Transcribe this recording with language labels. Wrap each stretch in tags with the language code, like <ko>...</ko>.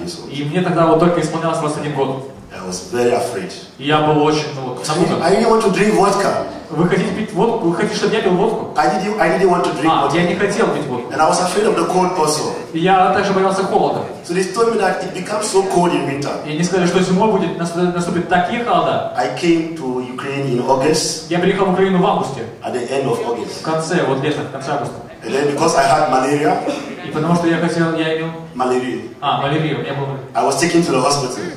<ru>И мне тогда вот только исполнялось 21 год.</ru> <en>I was very afraid.</en> <ru>И я был очень, ну,</ru> <en>I didn't want to drink vodka.</en> <ru>Вы хотите пить водку? Вы хотите, чтобы я пил водку?</ru> <en>I didn't want to drink</en> <ru>vodka. Я не хотел пить водку.</ru> <en>And I was afraid of the cold also.</en> <ru>И я также боялся холода.</ru> <en>So they told me that it becomes so cold in winter.</en> <ru>И они сказали, что зимой будет наступить такие холода.</ru> <en>I came to Ukraine in August.</en> <ru>Я приехал в Украину в августе.</ru> <en>At the end of August.</en> <ru>В конце, вот лето, в конце августа.</ru> <en>And then because I had malaria.</en> <ru>И потому что я имел малярию. Малярию. Я был.</ru> <en>I was taken to the hospital.</en>